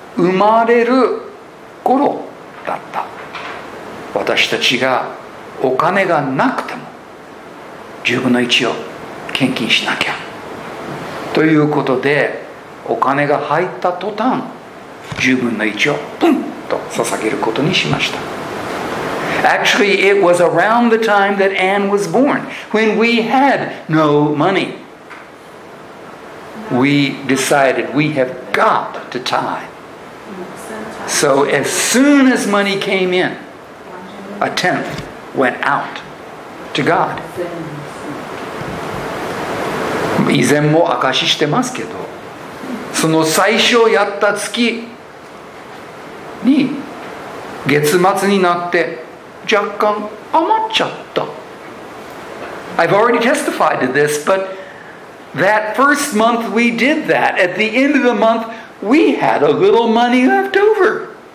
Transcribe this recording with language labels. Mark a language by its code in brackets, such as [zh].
[ja] 生まれる頃だった。私たちがお金がなくても10分の1を献金しなきゃということで、お金が入った途端10分の1をプンと捧げることにしました。 [en] Actually, it was around the time that Anne was born, when we had no money. We decided we have got to tithe. So as soon as money came in, a tenth went out to God. [ja] 以前も明かししてますけど、その最初やった月に月末になって若干余っちゃった。 [en] I've already testified to this, but that first month we did that. At the end of the month, we had a little money left over.